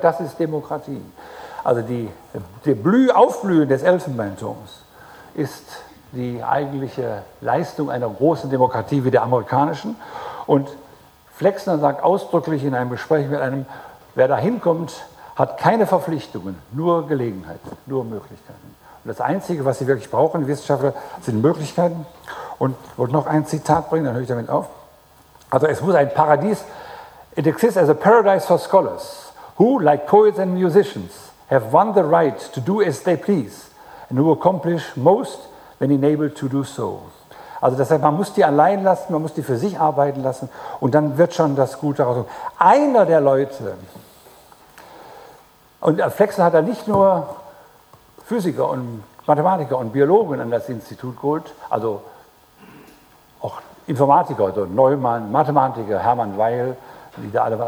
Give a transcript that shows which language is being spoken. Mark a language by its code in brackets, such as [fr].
[de] Das ist Demokratie. Also Aufblühen des Elfenbeinturms ist die eigentliche Leistung einer großen Demokratie wie der amerikanischen. Und Flexner sagt ausdrücklich in einem Gespräch mit einem, wer da hinkommt, hat keine Verpflichtungen, nur Gelegenheiten, nur Möglichkeiten. Und das Einzige, was sie wirklich brauchen, Wissenschaftler, sind Möglichkeiten. Und ich wollte noch ein Zitat bringen, dann höre ich damit auf. Also es muss ein Paradies, [en] it exists as a paradise for scholars, who, like poets and musicians, have won the right to do as they please and who accomplish most when enabled to do so. [de] Also das heißt, man muss die allein lassen, man muss die für sich arbeiten lassen und dann wird schon das Gute rauskommen. Einer der Leute, und Flexner hat da nicht nur Physiker und Mathematiker und Biologen an das Institut geholt, also auch Informatiker, also Neumann, Mathematiker, Hermann Weyl, die da alle waren.